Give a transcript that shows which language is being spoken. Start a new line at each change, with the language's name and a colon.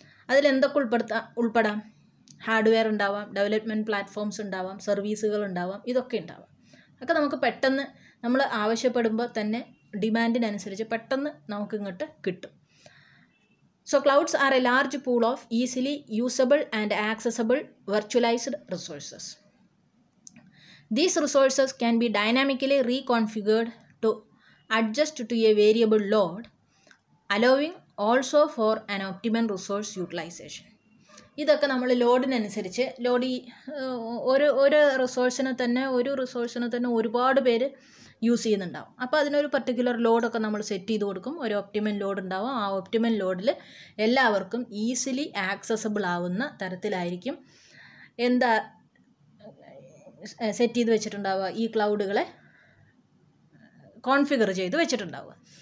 Malayalam: അതിലെന്തൊക്കെ ഉൾപ്പെടാം? ഹാർഡ്വെയർ ഉണ്ടാവാം, development platforms ഉണ്ടാവാം, സർവീസുകൾ ഉണ്ടാവാം, ഇതൊക്കെ ഉണ്ടാവാം. അപ്പോൾ നമുക്ക് പെട്ടെന്ന് നമ്മൾ ആവശ്യപ്പെടുമ്പോൾ തന്നെ ഡിമാൻഡിനനുസരിച്ച് പെട്ടെന്ന് നമുക്കിങ്ങോട്ട് കിട്ടും.
English: So clouds are a large pool of easily usable and accessible virtualized resources. These resources can be dynamically reconfigured to adjust to a variable load, allowing also for an optimum resource utilization.
Malayalam: ഇതൊക്കെ നമ്മൾ ലോഡിനനുസരിച്ച്, load ഈ ഒരു റിസോഴ്സിനെ തന്നെ ഒരുപാട് പേര് use ചെയ്യുന്നുണ്ടാവും. അപ്പോൾ അതിനൊരു പർട്ടിക്കുലർ ലോഡൊക്കെ നമ്മൾ സെറ്റ് ചെയ്ത് കൊടുക്കും, ഒരു ഒപ്റ്റിമൽ ലോഡ് ഉണ്ടാവും. ആ ഒപ്റ്റിമൽ ലോഡിൽ എല്ലാവർക്കും ഈസിലി ആക്സസബിൾ ആവുന്ന തരത്തിലായിരിക്കും എന്താ സെറ്റ് ചെയ്ത് വെച്ചിട്ടുണ്ടാവുക, ഈ ക്ലൗഡുകളെ കോൺഫിഗർ ചെയ്ത് വെച്ചിട്ടുണ്ടാവുക.